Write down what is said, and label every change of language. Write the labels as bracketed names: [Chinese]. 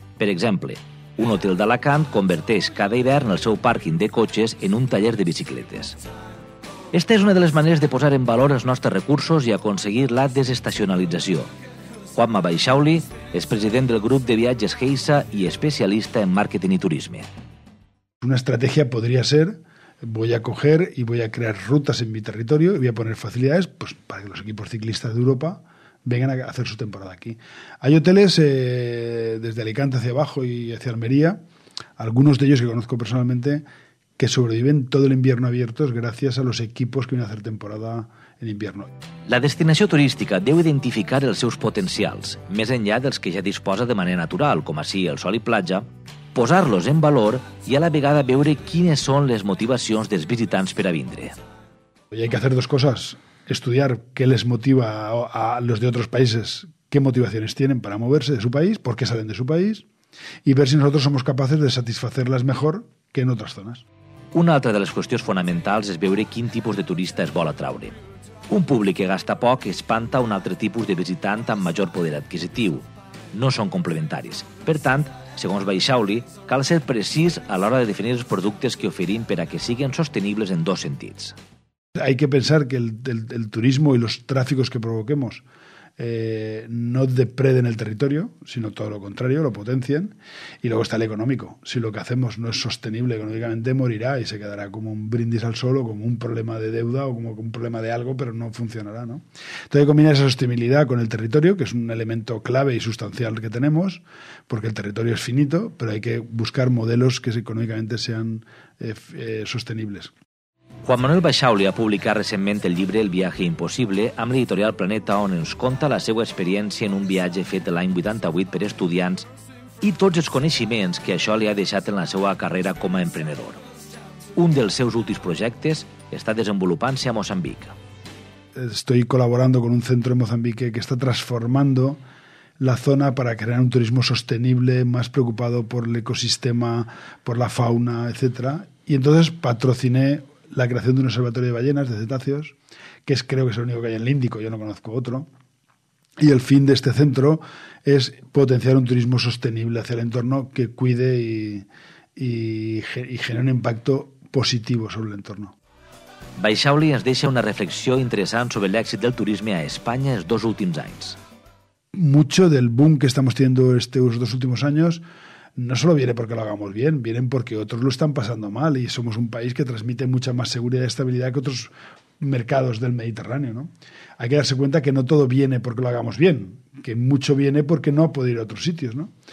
[Catalan] Per exemple, un hotel d'Alacant converteix cada hivern el seu pàrquing de cotxes en un taller de bicicletes. Esta és una de les maneres de posar en valor els nostres recursos i aconseguir la desestacionalització. Juanma Baixauli és president del grup de viatges Geisa i especialista en màrqueting i turisme. Una estratègia podria ser: [Spanish] voy a coger y voy a crear rutas en mi territorio y voy a poner facilidades pues, para que los equipos ciclistas de Europa vengan a hacer su temporada aquí. Hay hoteles desde Alicante hacia abajo y hacia Almería, algunos de ellos que conozco personalmente, que sobreviven todo el invierno abiertos gracias a los equipos que vienen a hacer temporada en invierno. [Catalan] La destinació turística deu identificar els seus potencials, més enllà dels que ja disposa de manera natural, com així el sol i platja, posar-los en valor i a la vegada veure quines són les motivacions dels visitants per a vindre. [Spanish] Y hay que hacer dos cosas, estudiar qué les motiva a los de otros países, qué motivaciones tienen para moverse de su país, por qué salen de su país, y ver si nosotros somos capaces de satisfacerlas mejor que en otras zonas. [Catalan] Una altra de les qüestions fonamentals és veure quin tipus de turista es vol atraure. Un públic que gasta poc espanta un altre tipus de visitant amb major poder adquisitiu. No són complementaris. Per tant, segons Baixauli, cal ser precís a l'hora de definir els productes que oferim per a que siguin sostenibles en dos sentits. [Spanish] Hay que pensar que el turismo y los tráficos que provoquemos no depreden el territorio, sino todo lo contrario, lo potencian. Y luego está el económico. Si lo que hacemos no es sostenible económicamente, morirá y se quedará como un brindis al sol o como un problema de deuda o como un problema de algo, pero no funcionará, ¿no? Entonces hay que combinar esa sostenibilidad con el territorio, que es un elemento clave y sustancial que tenemos, porque el territorio es finito, pero hay que buscar modelos que económicamente sean sostenibles. [Catalan] Juan Manuel Baixauli ha publicat recentment el llibre El viatge impossible amb l'editorial Planeta, on ens conta la seva experiència en un viatge fet l'any 88 per estudiants i tots els coneixements que això li ha deixat en la seva carrera com a emprenedor. Un dels seus últims projectes està desenvolupant-se a Moçambic. [Spanish] Estoy colaborando con un centro en Mozambique que está transformando la zona para crear un turismo sostenible, más preocupado por el ecosistema, por la fauna, etc. Y entonces patrociné la creación de un observatorio de ballenas, de cetáceos, que es creo que es el único que hay en el Índico, yo no conozco otro. Y el fin de este centro es potenciar un turismo sostenible hacia el entorno que cuide y genere un impacto positivo sobre el entorno. [Catalan] Baixauli ens deixa una reflexió interessant sobre l'èxit del turisme a Espanya els dos últims anys. [Spanish] Mucho del boom que estamos teniendo estos dos últimos años no solo viene porque lo hagamos bien, vienen porque otros lo están pasando mal y somos un país que transmite mucha más seguridad y estabilidad que otros mercados del Mediterráneo, ¿no? Hay que darse cuenta que no todo viene porque lo hagamos bien, que mucho viene porque no ha podido ir a otros sitios, ¿no?